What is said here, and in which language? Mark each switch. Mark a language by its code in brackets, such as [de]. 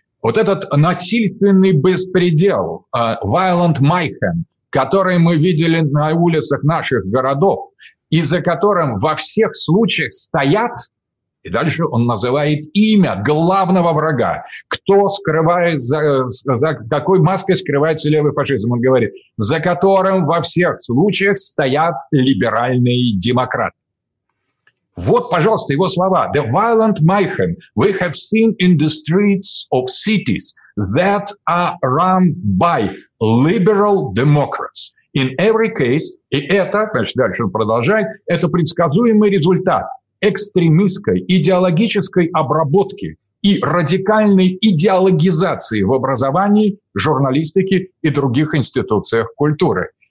[ru] Вот этот насильственный беспредел, [en] violent mayhem, [ru] которые мы видели на улицах наших городов, и за которым во всех случаях стоят, и дальше он называет имя главного врага, кто скрывает, за какой маской скрывается левый фашизм, он говорит, за которым во всех случаях стоят либеральные демократы. Вот, пожалуйста, его слова. [en] «The violent mayhem we have seen in the streets of cities that are run by liberal democrats. In every case», [ru] и это, значит, дальше он продолжает, это предсказуемый результат экстремистской идеологической обработки и радикальной идеологизации в образовании, журналистике и других институциях культуры.